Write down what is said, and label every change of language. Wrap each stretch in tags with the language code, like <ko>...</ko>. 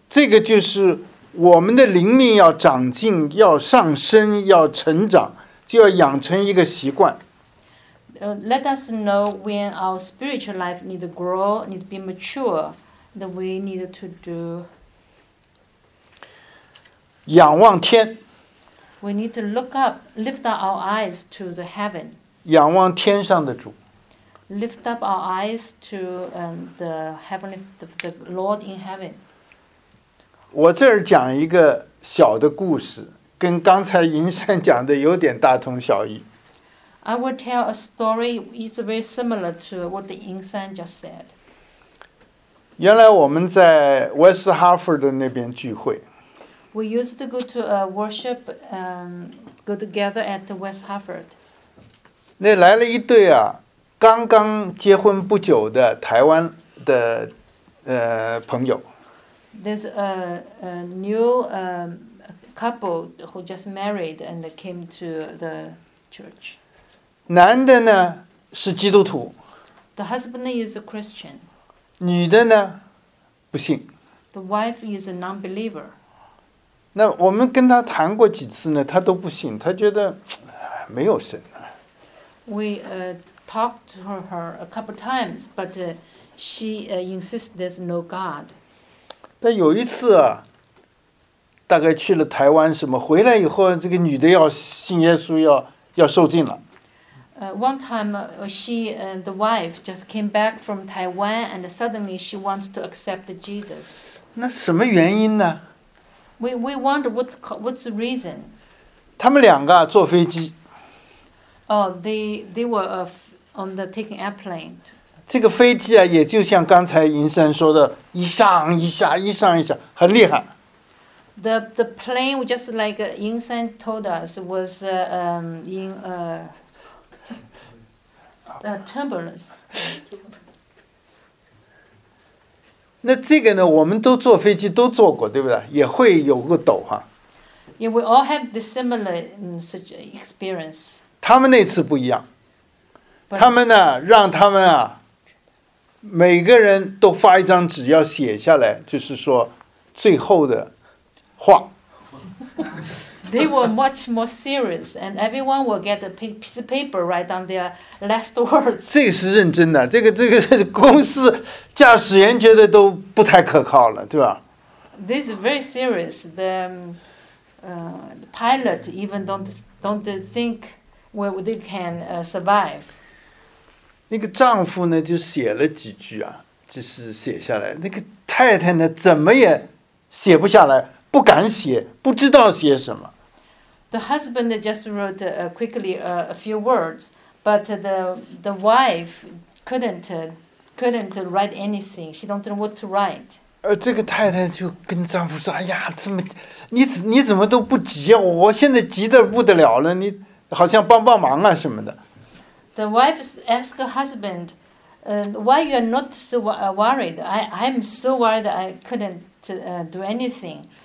<zh>这个就是我们的灵命要长进，要上升，要成长，就要养成一个习惯。</zh> <en>Let us know when our spiritual life need to grow, need to be mature, that we need to do.</en> <zh>仰望天。</zh> <en>We need to look up, lift up our eyes to the heaven.</en> <zh>仰望天上的主。</zh> <en>Lift up our eyes to the heavenly, the Lord in heaven.</en> <zh>我这儿讲一个小的故事，跟刚才银山讲的有点大同小异。</zh> <en>I will tell a story. It's very similar to what the Yin San just said.</en> <zh>原来我们在 West Hartford 那边聚会。</zh> <en>We used to go to a worship, go together at West Hartford.</en> <zh>那来了一对啊，刚刚结婚不久的台湾的朋友。</zh> <en>There's a new couple who just married and came to the church.</en> <zh>男的呢是基督徒。</zh> <en>The husband is a Christian.</en> <zh>女的呢不信。</zh> <en>The wife is a non-believer.</en> <zh>那我们跟他谈过几次呢，他都不信，他觉得没有神。</zh> <en>We talked to her a couple times, but she insists there's no God.</en> <zh>但有一次啊，大概去了台湾什么，回来以后，这个女的要信耶稣，要受浸了。</zh> <en>One time, she and the wife just came back from Taiwan, and suddenly she wants to accept Jesus.</en> <zh>那什么原因呢</zh> <en>？We wonder what's the reason.</en> <zh>他们两个坐飞机。</zh> <en>They were on the taking airplane.</en> <zh>这个飞机啊，也就像刚才银山说的，一上一下，一上一下，很厉害。</zh> <en>The plane just like 银山 told us was in turbulence.</en> <zh>那这个呢，我们都坐飞机都坐过，对不对？也会有个抖哈。</zh> <en>Yeah, we all have the similar such experience.</en> <zh>他们那次不一样，他们呢，让他们啊。每个人都发一张纸，要写下来，就是说最后的话。</zh> <en>They were much more serious, and everyone will get a piece of paper, write down their last words.</en> <zh>这个是认真的，这个是公司驾驶员觉得都不太可靠了，对吧</zh> <en>？This is very serious. The pilot even don't think where they can survive.</en> <zh>那个丈夫呢，就写了几句啊，就是写下来。那个太太呢，怎么也写不下来，不敢写，不知道写什么。</zh> <en>The husband just wrote quickly a few words, but the wife couldn't write anything. She don't know what to write.</en> <zh>这个太太就跟丈夫说：“哎呀，这么你怎么都不急啊？我现在急得不得了了，你好像帮帮忙啊什么的。”</zh> <en>The wife asked her husband, why you are not so worried? I'm so worried I couldn't do anything.</en>